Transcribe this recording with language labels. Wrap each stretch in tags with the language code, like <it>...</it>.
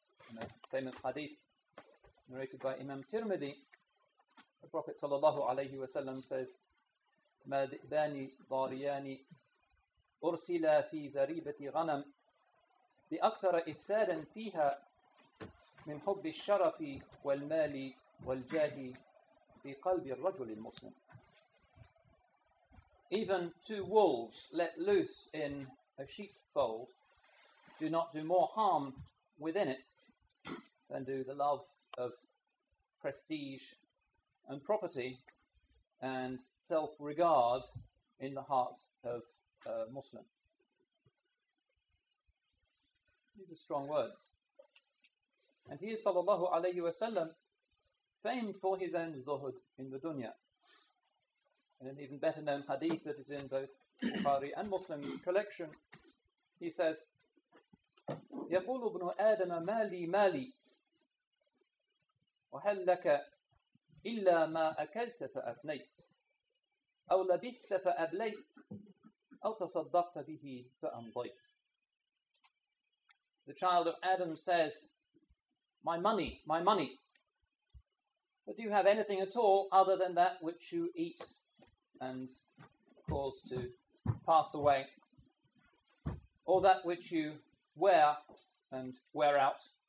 <en>In a famous hadith narrated by Imam Tirmidhi, the Prophet sallallahu alayhi wa sallam says,</en> <ar>مَا ذِئْبَانِ ضَارِيَانِ أُرْسِلَا فِي زَرِيبَةِ غَنَمْ بِأَكْثَرَ إِفْسَادًا فِيهَا من حب الشرف والمال والجاه في قلب الرجل المسلم.</ar> <en>Even two wolves let loose in a sheepfold do not do more harm within it than do the love of prestige and property and self-regard in the heart of a Muslim. These are strong words. And he is, sallallahu alayhi wa sallam, famed for his own zuhud in the dunya. In an even better known hadith that is in both Bukhari and Muslim collection, he says,</en> <ar>يقول ابن آدم ما لي ما لي وهل لك إلا ما أكلت فأفنيت أو لبست فأبليت أو تصدقت به فأمضيت.</ar> <en>The child of Adam says, my money, my money. But do you have anything at all other than that which you eat and cause to pass away? Or that which you wear and wear out?</en>